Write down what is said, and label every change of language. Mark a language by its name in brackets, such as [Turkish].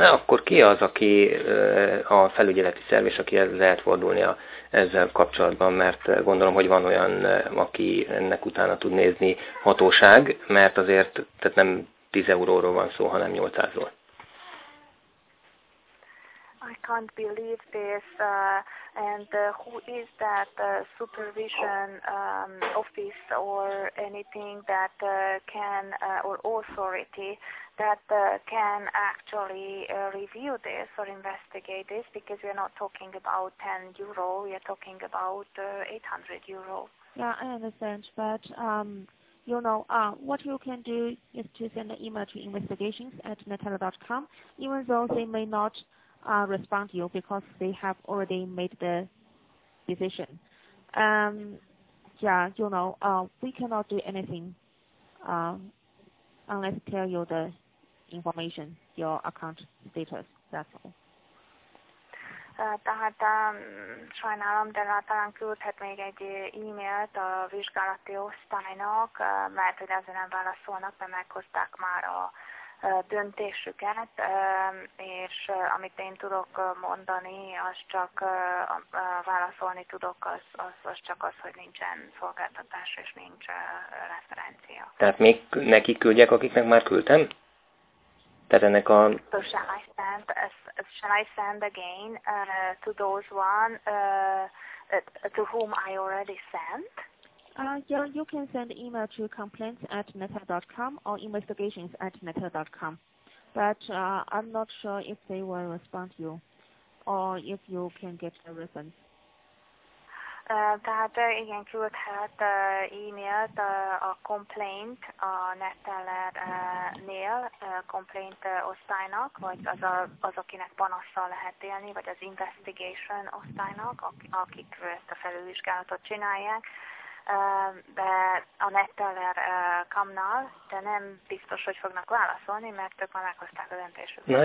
[Hungarian] Akkor ki az, aki a felügyeleti szerv, és aki lehet fordulni ezzel kapcsolatban, mert gondolom, hogy van olyan, aki ennek utána tud nézni hatóság, mert azért tehát nem 10 euróról van szó, hanem 800-ról. [English] I can't believe this. And who is that supervision office or anything that can, or authority that can actually review this or investigate this? Because we are not talking about 10 euro, we are talking about 800 euro. Yeah, I understand, but you know, what you can do is to send an email to investigations@natella.com, even though they may not respond to you because they have already made the decision. Yeah, you know, we cannot do anything unless tell you the information, your account status, that's all. [Hungarian] Tehát sajnálom, de talán küldhet még egy e-mailt a vizsgálati osztálynak, mert hogy ezzel nem válaszolnak, mert meghozták már a döntésüket, és amit én tudok mondani, az csak válaszolni tudok, az csak az, hogy nincsen szolgáltatás és nincs referencia. Tehát még neki küldjek, akiknek már küldtem? [English] So shall I send again to those one to whom I already sent? Yeah, you can send email to complaints@natella.com or investigations@natella.com. But I'm not sure if they will respond to you or if you can get a reason. [Hungarian] Tehát igen, küldhet e-mailt a complaint a Neteller-nél, complaint osztálynak, vagy az, akinek panasszal lehet élni, vagy az investigation osztálynak, akik ezt a felülvizsgálatot csinálják, de a Neteller-kamnál, de nem biztos, hogy fognak válaszolni, mert ők már meghozták a döntésüket.